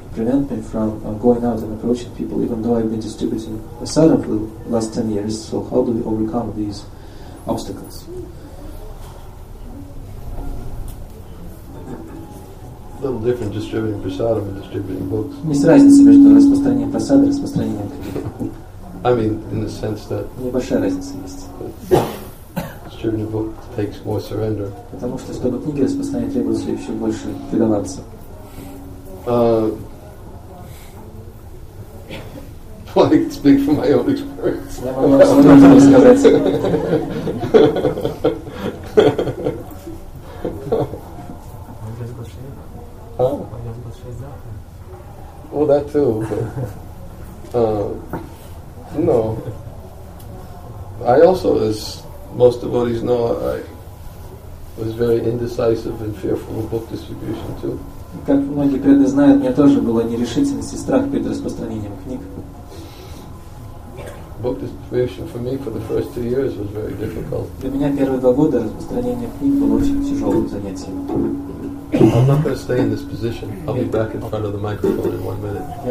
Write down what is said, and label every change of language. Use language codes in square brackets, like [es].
[en] prevent me from going out and approaching people, even though I've been distributing asylum for the last 10 years. So how do we overcome these obstacles? A little different distributing prasadam and distributing books. [ru] Не разница между распространением просады и распространением книг. [en] I mean, in the sense that. [ru] Небольшая разница есть. [en] Distributing book takes more surrender. [ru] Потому что чтобы книги распространять требуется еще больше предаваться. [en] Well, I can speak from my own experience. Huh? Well, that too, but no. I also, as most devotees know, I was very indecisive and fearful of book distribution too. [ru] Как многие преданные знают, у меня тоже была нерешительность и страх перед распространением книг. [en] Book distribution for me for the first 2 years was very difficult. [ru] Для меня первые 2 года распространение книг было очень тяжелым занятием. [en] I'm not going to stay in this position. I'll be back in front of the microphone in 1 minute.